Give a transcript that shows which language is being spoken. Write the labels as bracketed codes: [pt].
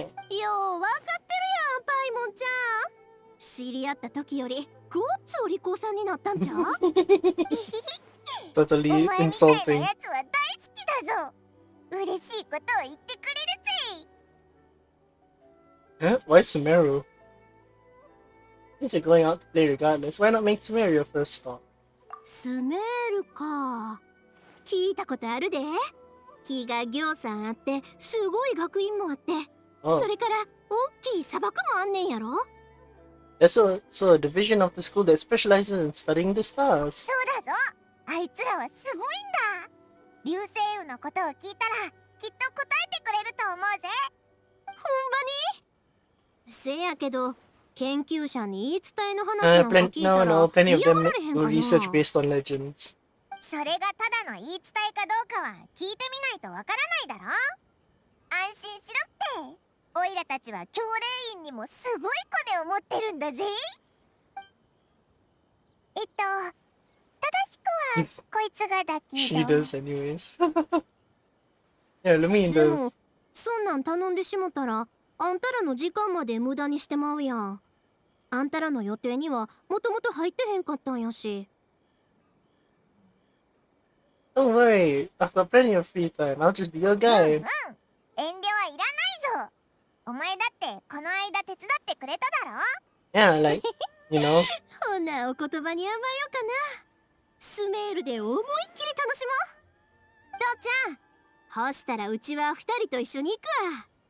[ja] よう分かってるやんパイモンちゃん。知り合った時よりごっつお利口さんになったんちゃ [en] う。totally insulting。 [ja] お前みたいなやつは大好きだぞ。嬉しいことを言ってくれるぜ。 [en] え、why Sumeru? Since you're going out to play regardless, why not make Sumeru your first stop? [ja] Sumeru か。聞いたことあるで。木がぎょうさんあってすごい学院もあって、oh. それから大きい砂漠もあんねんやろ。 [en] Yeah, so a division of the school that specializes in studying the stars. [ja] そうだぞ。あいつらはすごいんだ。流星雨のことを聞いたらきっと答えてくれると思うぜ。ほんまに？せやけど研究者に言い伝えの話なんか聞いたら嫌がられへんかな。 [en] No, plenty of them will research based on legends. [ja] それがただの言い伝えかどうかは聞いてみないとわからないだろ。安心しろって、オイラたちは教練員にもすごいコネを持ってるんだぜ。正しくはこいつがだけど。 [en] She does anyways. Yeah, let me in [ja] those. でもそんなん頼んでしもたらあんたらの時間まで無駄にしてまうやん。あんたらの予定にはもともと入ってへんかったんやし。 [en] Don't worry, I've got plenty of free time. I'll just be your guide. [ja] うん、遠慮はいらないぞ。お前だってこの間手伝ってくれただろ。 [en] Yeah, like, you know. [ja] ほなお言葉に甘えようかな。スメールで思いっきり楽しもう。父ちゃん、干したらうちは二人と一緒に行くわ。